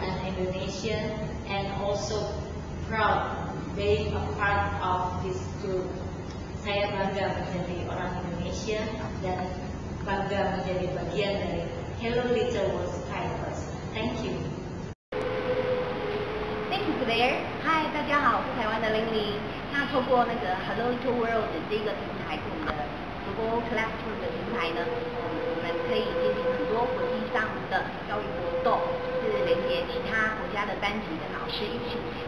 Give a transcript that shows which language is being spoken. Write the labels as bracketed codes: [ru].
[en] an Indonesian and also proud being a part of this group. [id] Saya bangga menjadi orang Indonesia dan bangga menjadi bagian dari Hello Little World Skypers. [en] Thank you. Thank you, Claire. [zh] Hi, 大家好，我是台湾的玲玲。那透过那个 Hello Little World 的这个平台，我们的 Google Classroom 的平台呢，我们可以进行很多国际上的教育活动，就是连接其他国家的班级的老师一起。